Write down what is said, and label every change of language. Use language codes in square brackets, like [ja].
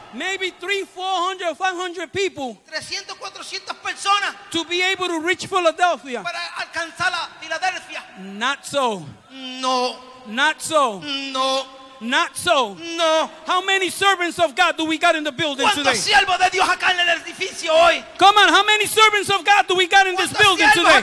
[en] Maybe 300, 400, 500 people. [es] 300, 400 personas. [en] To be able to reach Philadelphia. [es] Para alcanzar la Filadelfia. [en] Not so. [es] No. [en] Not so. [es] No. [en] Not so. [es] No. [en] How many servants of God do we got in the building [es] ¿Cuántos [en] today? [es] ¿Cuántos siervos de Dios acá en el edificio hoy? [en] Come on. How many servants of God do we got in this building today?